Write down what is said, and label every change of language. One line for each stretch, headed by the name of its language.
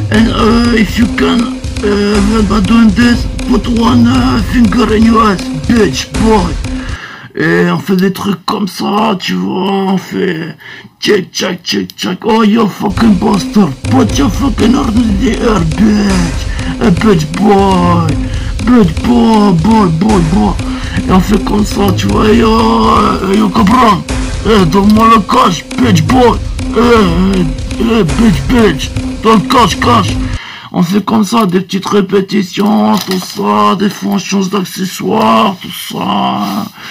English: And if you can help by doing this, put one finger in your ass, bitch boy.
French: Et on fait des trucs comme ça, tu vois, on fait check check check check.
English: Oh you fucking bastard, put your fucking arms in the air, bitch. Bitch boy, bitch boy, boy boy boy.
French: Et on fait comme ça, tu vois, yo yo cabron, donne-moi le cash,
English: bitch boy. Bitch bitch.
French: Donc cache, cache. On fait comme ça, des petites répétitions, tout ça, des fois on change d'accessoires, tout ça.